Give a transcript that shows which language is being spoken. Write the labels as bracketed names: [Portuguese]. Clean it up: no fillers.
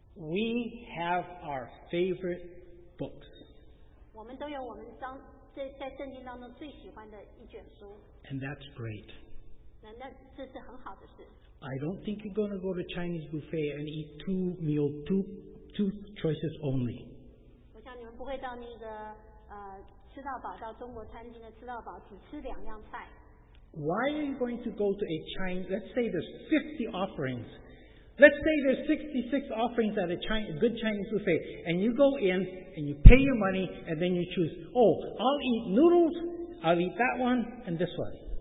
[English] We have our favorite books. [Chinese] 我们都有我们在圣经当中最喜欢的一卷书。 [English] And that's great. [Chinese] 那这是很好的事。 [English] I don't think you're going to go to Chinese buffet and eat two choices only. [Chinese] 你们不会到那个吃到饱，到中国餐厅的吃到饱，只吃两样菜。 [English] Why are you going to go to a Chinese? Let's say there's 50 offerings. Let's say there's 66 offerings at a good Chinese buffet, and you go in and you pay your money, and then you choose. Oh, I'll eat noodles. I'll eat that one and this one.